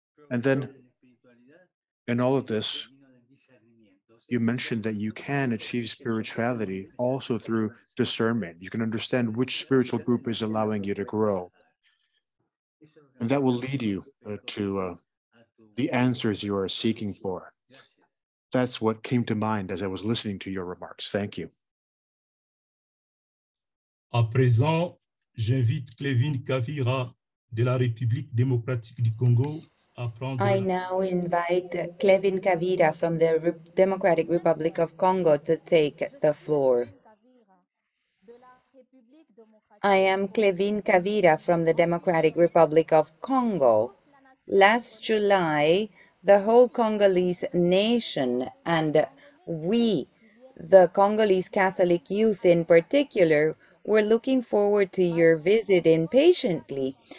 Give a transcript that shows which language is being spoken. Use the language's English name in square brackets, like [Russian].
[English] And then, in all of this, you mentioned that you can achieve spirituality also through discernment. You can understand which spiritual group is allowing you to grow. And that will lead you to the answers you are seeking for. That's what came to mind as I was listening to your remarks. Thank you. [French] À présent, j'invite Clévin Kavira de la République démocratique du Congo à prendre. [English] I now invite Clévin Kavira from the Democratic Republic of Congo to take the floor. I am Clévin Kavira from the Democratic Republic of Congo. Last July, the whole Congolese nation and we, the Congolese Catholic youth in particular, were looking forward to your visit impatiently.